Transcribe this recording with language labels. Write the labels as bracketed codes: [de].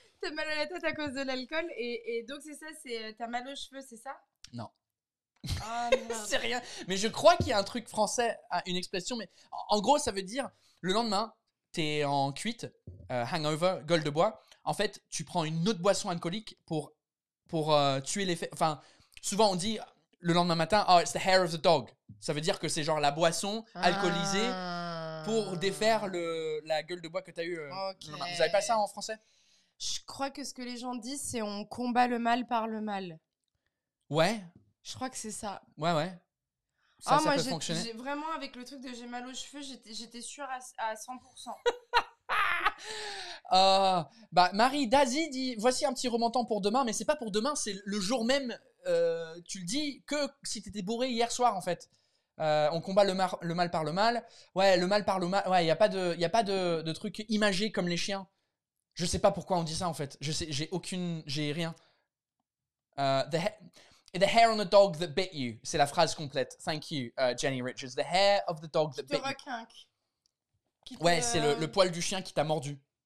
[fr] T'as mal à la tête à cause de l'alcool. Et donc, c'est ça, c'est t'as mal aux cheveux, c'est ça? Non. Oh, c'est rien. Mais je crois qu'il y a un truc français, une expression. Mais en gros, ça veut dire le lendemain, t'es en cuite, hangover, gueule de bois. En fait, tu prends une autre boisson alcoolique pour tuer l'effet. Enfin, souvent, on dit... Le lendemain matin, [en] oh, it's the hair of the dog. [fr] Ça veut dire que c'est genre la boisson alcoolisée pour défaire la gueule de bois que t'as eu. Okay. Vous avez pas ça en français? Je crois que ce que les gens disent, c'est on combat le mal par le mal. Ouais. Je crois que c'est ça. Ouais, ouais. Ça, oh, moi, peut j'ai, fonctionner. J'ai vraiment, avec le truc de j'ai mal aux cheveux, j'étais sûre à 100%. Bah, Marie Dazi dit, voici un petit remontant pour demain, mais c'est pas pour demain, c'est le jour même, tu le dis, que si t'étais bourré hier soir, en fait. On combat le mal par le mal. Ouais, le mal par le mal. Ouais, y a pas de truc imagé comme les chiens. Je sais pas pourquoi on dit ça, en fait. Je sais, j'ai aucune... J'ai rien. [en] The hair on the dog that bit you. [fr] C'est la phrase complète. [en] Thank you, Jenny Richards. The hair of the dog that bit you. [fr] Qui te requinque. Ouais, c'est le poil du chien qui t'a mordu.